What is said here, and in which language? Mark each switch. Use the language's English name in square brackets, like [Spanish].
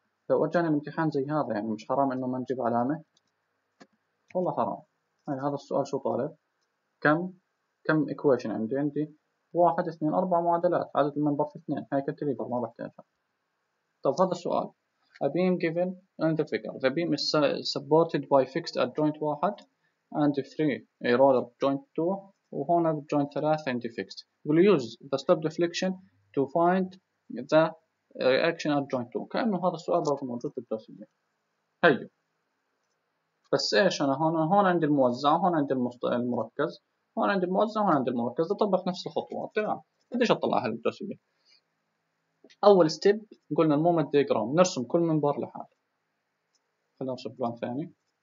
[Arabic] لو أجاني امتحان زي هذا يعني مش حرام إنه ما نجيب علامة؟ والله حرام. هاي هذا السؤال شو طالب؟ كم إكويشن عندي 1 2 4 معادلات، عدد المنبر في 2، هاي كنت ليفر ما بحتاجها. طب هذا السؤال [English] a beam given in the figure. The beam is supported by fixed at joint 1 and 3, a roller joint 2, وهنا joint 3 and fixed. We'll use the stop deflection to find the reaction at joint 2. [Arabic] كأنه هذا السؤال برضه موجود في الدوسية. هيو. بس ايش انا هون؟ هون عندي الموزع، هون عندي المركز، هون عندي الموزع، هون عندي المركز، اطبق نفس الخطوات. تمام. قديش اطلع هالدوسية؟ أول ستيب قلنا المومنت ديجرام، نرسم كل منبار لحاله. خلينا نرسم بلان ثاني.